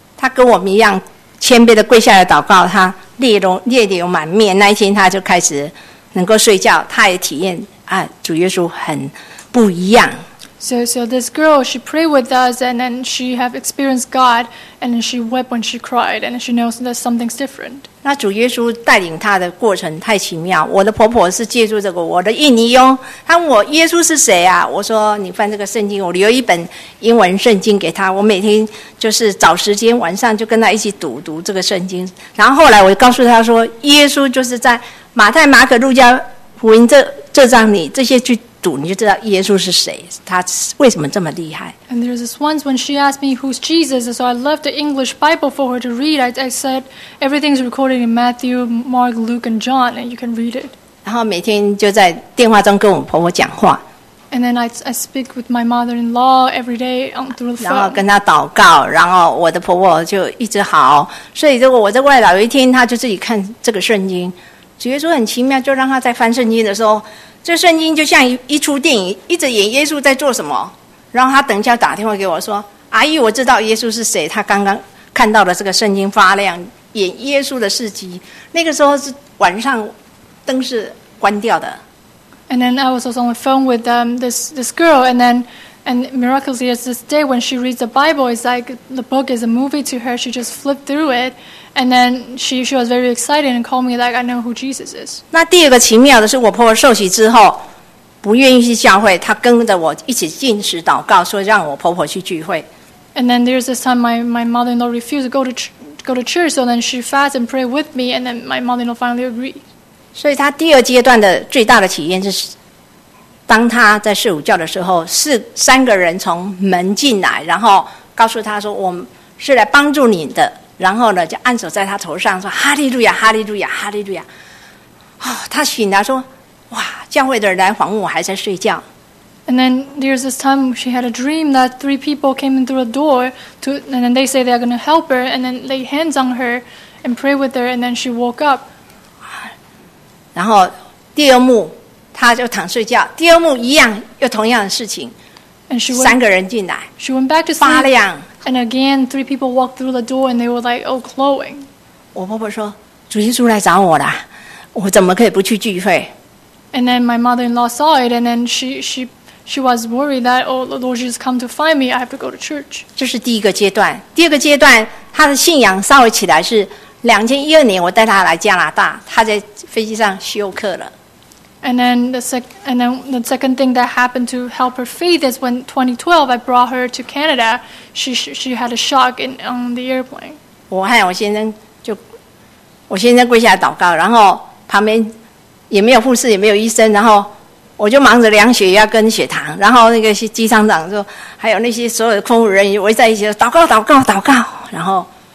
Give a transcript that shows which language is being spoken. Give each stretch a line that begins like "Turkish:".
Chinese: 她跟我们一样，谦卑的跪下来祷告，她泪流满面。那一天，她就开始能够睡觉。她也体验啊，主耶稣很不一样。
English: So this girl, she prayed with us, and then she have experienced God, and she wept when she cried, and she knows that something's different.
Chinese: 那主耶稣带领她的过程太奇妙。我的婆婆是借助这个我的印尼佣，她问我耶稣是谁啊？我说你翻这个圣经，我留一本英文圣经给她。我每天就是找时间晚上就跟她一起读这个圣经。然后后来我告诉她说，耶稣就是在马太、马可、路加福音这章里这些去。你就知道耶稣是谁，他为什么这么厉害。
English: And there was this once when she asked me who's Jesus, so I left the English Bible for her to read. I said everything's recorded in Matthew, Mark, Luke, and John, and you can read it.
Chinese: 然后每天就在电话中跟我婆婆讲话。
English: And then I speak with my mother-in-law every day on through the phone.
Chinese: 然后跟她祷告，然后我的婆婆就一直好。所以如果我在外老一天，她就自己看这个圣经。主耶稣很奇妙，就让她在翻圣经的时候。这圣经就像一出电影，一直演耶稣在做什么。然后他等一下打电话给我说：“阿姨，我知道耶稣是谁。他刚刚看到了这个圣经发亮，演耶稣的事迹。那个时候是晚上，灯是关掉的。”
English: And then I was also on the phone with this girl, and then and miraculously, it's this day when she reads the Bible, it's like the book is a movie to her. She just flipped through it. And then she was very excited and called me like I know who Jesus is.
Chinese: 那第二个奇妙的是，我婆婆受洗之后不愿意去教会，她跟着我一起进食祷告，说让我婆婆去聚会。
English: And then there's this time my mother-in-law refused to go to church, so then she fast and pray with me, and then my mother-in-law finally agreed.
Chinese: 所以她第二阶段的最大的体验是，当她在睡午觉的时候，三个人从门进来，然后告诉她说我是来帮助你的。然后呢，就按手在他头上说：“哈利路亚，哈利路亚，哈利路亚。” 哦，他醒来说：“哇，教会的人来访问我，还在睡觉。
English: ”And then there's this time she had a dream that three people came in through a door to, and then they say they are going to help her, and then lay hands on her and pray with her, and then she woke up.
Chinese: 然后第二幕，他就躺睡觉。第二幕一样，又同样的事情。
English: And she went,
Chinese: 三个人进来。
English: She went back to sleep.
Chinese: 发亮。
English: And again, three people walked through the door, and they were like, "Oh, glowing."
Chinese: 我婆婆说，主耶稣来找我了，我怎么可以不去聚会
English: ？And then my mother-in-law saw it, and then she was worried that, "Oh, the Lord Jesus come to find me. I have to go to church."
Chinese: 这是第一个阶段。第二个阶段，她的信仰稍微起来是2012年，我带她来加拿大，她在飞机上休克了。
English: And then the second thing that happened to help her faith is when 2012 I brought her to Canada. She had a shock on the airplane.
Chinese: 我和我先生跪下来祷告，然后旁边也没有护士，也没有医生，然后我就忙着量血压跟血糖，然后那个机舱长就还有那些所有的空服人员围在一起祷告，祷告，祷告，然后。